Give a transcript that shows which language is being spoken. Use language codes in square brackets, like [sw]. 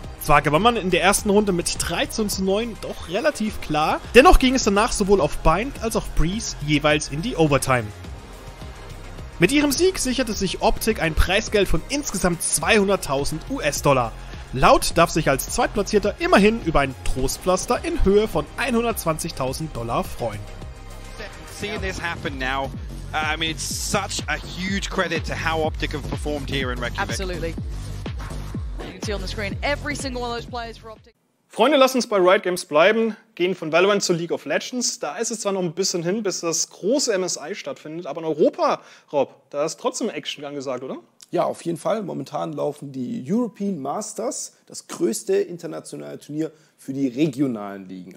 [de] Zwar gewann man in der ersten Runde mit 13:9 doch relativ klar, dennoch ging es danach sowohl auf Bind als auch Breeze jeweils in die Overtime. Mit ihrem Sieg sicherte sich Optic ein Preisgeld von insgesamt 200.000 US-Dollar. Loud darf sich als Zweitplatzierter immerhin über ein Trostpflaster in Höhe von 120.000 Dollar freuen. [en] Seeing this happen now, I mean, it's such a huge credit to how Optic have performed here in Reykjavik. Absolutely. On the screen. Every single one of those players for Optic. [de] Freunde, lasst uns bei Riot Games bleiben, gehen von Valorant zu League of Legends. Da ist es zwar noch ein bisschen hin, bis das große MSI stattfindet, aber in Europa, Rob, da ist trotzdem Action angesagt, oder? Ja, auf jeden Fall. Momentan laufen die European Masters, das größte internationale Turnier für die regionalen Ligen.